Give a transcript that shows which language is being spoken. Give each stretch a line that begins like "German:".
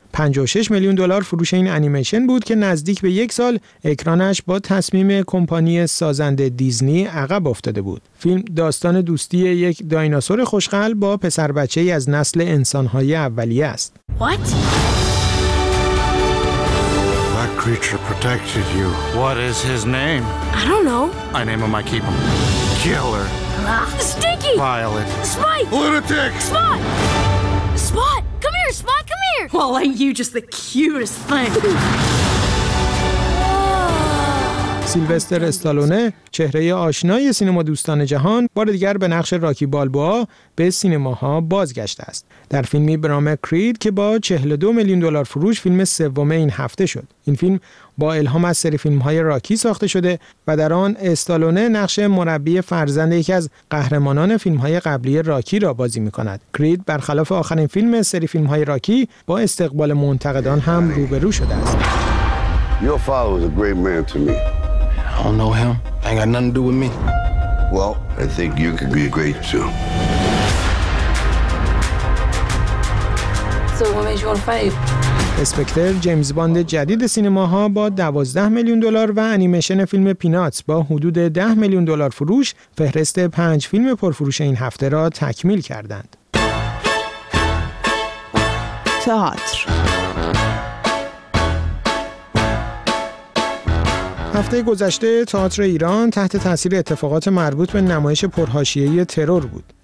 Persian: 56 میلیون دلار فروش این انیمیشن بود که نزدیک به یک سال اکرانش با تصمیم کمپانی سازنده دیزنی عقب افتاده بود. فیلم داستان دوستی یک دایناسور خوشقل با پسر بچه ای از نسل انسانهای اولیه است.
English: What? Creature protected you. What is his name? I don't know. I name him, I keep him. Killer. Ah, stinky. Violet. Spike. Lunatic. Spot. Spot. Come here, Spot, come here. Well, ain't you just the cutest thing?
Persian: سیلوستر استالونه، چهره آشنای سینما دوستان جهان، بار دیگر به نقش راکی بالبوا به سینماها بازگشته است. در فیلمی به نام کرید که با 42 میلیون دلار فروش فیلم سوم این هفته شد. این فیلم با الهام از سری فیلم‌های راکی ساخته شده و در آن استالونه نقش مربی فرزند یکی از قهرمانان فیلم‌های قبلی راکی را بازی می‌کند. کرید برخلاف آخرین فیلم سری فیلم‌های راکی با استقبال منتقدان هم روبرو شده است.
English: Your father was a great man to me. I don't know him. Ain't got nothing to do with me. Well, I think you could be great too. So what made you want to fight?
Persian: اسپکتر جیمز باند جدید سینماها با 12 میلیون دلار و انیمیشن فیلم پیناتس با حدود 10 میلیون دلار فروش فهرست 5 فیلم پرفروش این هفته را تکمیل کردند. تئاتر هفته گذشته تئاتر ایران تحت تاثیر اتفاقات مربوط به نمایش پرحاشیه‌ای ترور بود.